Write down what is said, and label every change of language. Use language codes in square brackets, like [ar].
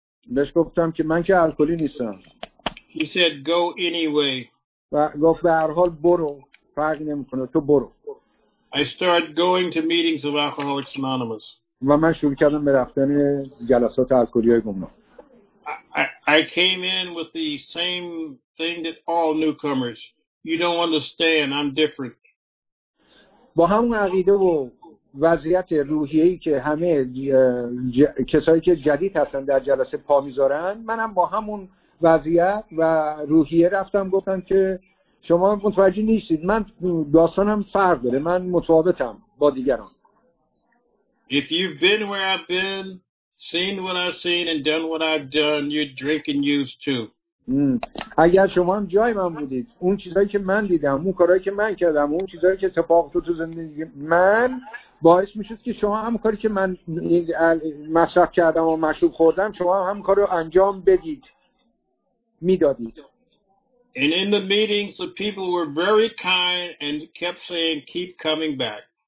[fa] بهش گفتم که من که الکلی نیستم. [en] He said go anyway. [fa] و گفت به هر حال برو، فرق نمیکنه تو برو. [en] I started going to meetings of Alcoholics Anonymous. [fa] و من شروع کردم به رفتن جلسات الکلی های گمنام. [en] I came in with the same thing that all newcomers. You don't understand, I'm different. [fa] با همون عقیده و وضعیت روحیه‌ای که همه کسایی که جدید هستن در جلسه پا میذارن، منم با همون وضعیت و روحیه رفتم، گفتم که شما متوجه نیستید، من داستانم فرق داره، من متفاوتم با دیگران. [en] If you've been where I've been, seen what I've seen and done what I've done, you're drinking use too. [fa] اگر شما هم جای من بودید، اون چیزایی که من دیدم، اون کارهایی که من کردم، اون چیزایی که اتفاق افتاد تو زندگی من، باعث میشد که شما هم کاری که من مصرف کردم و مشروب خوردم، شما هم کارو انجام بدید، میدادید. [en] And in the meetings, the people were very kind and kept saying, "Keep coming back."